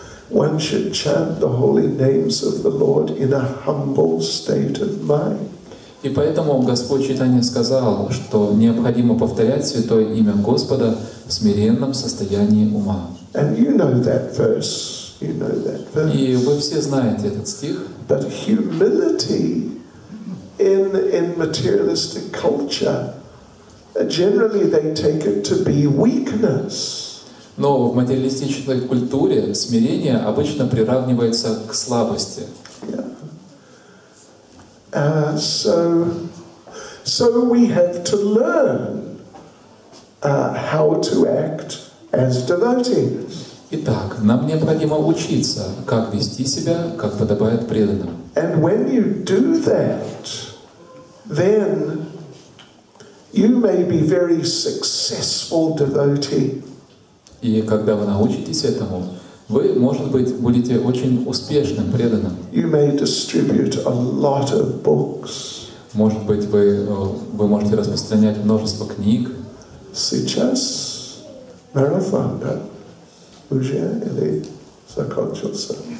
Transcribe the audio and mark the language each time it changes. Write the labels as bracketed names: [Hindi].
[English] One should chant the holy names of the Lord in a humble state of mind. [Russian] И поэтому Господь Чайтанья сказал, что необходимо повторять святое имя Господа в смиренном состоянии ума. [English] And you know that verse. You know that verse. [Russian] И вы все знаете этот стих. [English] But humility in materialistic culture. Generally, they take it to be weakness. [Russian] Но в материалистической культуре смирение обычно приравнивается к слабости. [English] So we have to learn how to act as devotees. [Russian] Итак, нам необходимо учиться, как вести себя, как подобает преданным. [English] And when you do that, then you may be very successful devotee. [Russian] И когда вы научитесь этому, вы, может быть, будете очень успешным преданным. [English] You may distribute a lot of books. [Russian] Может быть, вы можете распространять множество книг. Сейчас Марафанда уже или закончился?